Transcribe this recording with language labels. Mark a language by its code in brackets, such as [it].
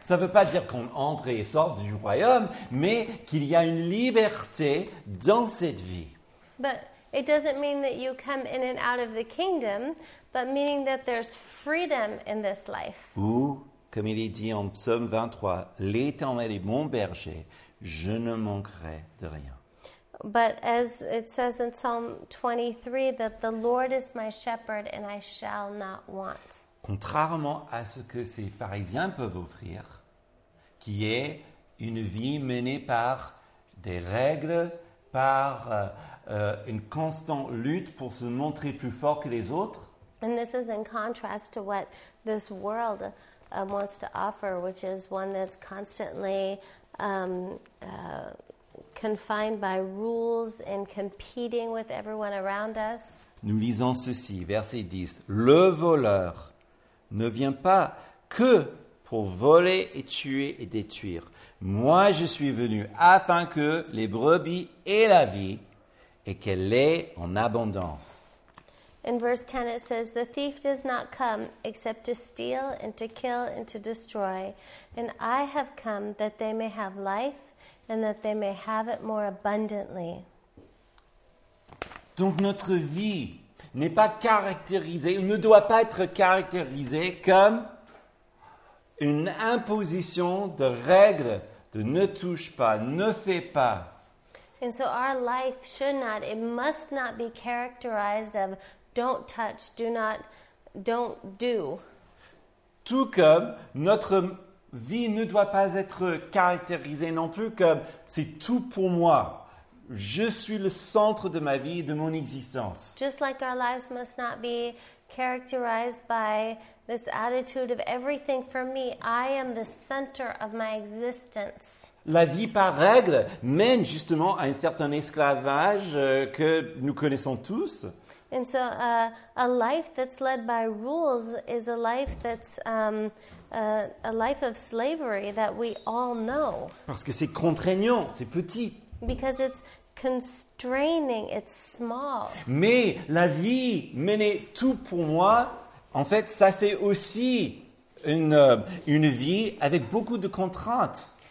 [fr] Ça ne veut pas dire qu'on entre et sort du royaume, mais qu'il y a une liberté dans cette vie. [en] But it doesn't mean that you come in and out of the kingdom, but meaning that there's freedom in this life. [fr] Ou, comme il est dit en psaume 23, l'Éternel est mon berger, je ne manquerai de rien. [en] But as it says in Psalm 23, that the Lord is my shepherd and I shall not want. [fr] Contrairement à ce que ces pharisiens peuvent offrir, qui est une vie menée par des règles, par une constante lutte pour se montrer plus fort que les autres. [en] And this is in contrast to what this world wants to offer, which is one that's constantly confined by rules and competing with everyone around us. [fr] Nous lisons ceci, verset 10. Le voleur ne vient pas que pour voler et tuer et détruire. Moi, je suis venu afin que les brebis aient la vie et qu'elle l'ait en abondance. [en] In verse 10, it says, the thief does not come except to steal and to kill and to destroy. And I have come that they may have life and that they may have it more abundantly. [fr] Donc notre vie n'est pas caractérisée, ne doit pas être caractérisée comme une imposition de règles de ne touche pas, ne fais pas. [en] And so our life should not, it must not be characterized of don't touch, do not, don't do. [fr] Tout comme notre vie ne doit pas être caractérisée non plus comme c'est tout pour moi. Je suis le centre de ma vie et de mon existence. [en] Just like our lives must not be characterized by this attitude of everything for me, I am the center of my existence. [fr] La vie par règle mène justement à un certain esclavage que nous connaissons tous. [en] And so a life that's led by rules is a life that's a life of slavery that we all know. [fr] Parce que c'est contraignant, c'est petit. [en] Because it's constraining, it's small. [fr] Mais la vie menée tout pour moi, en fait, ça c'est aussi une vie avec beaucoup de contraintes.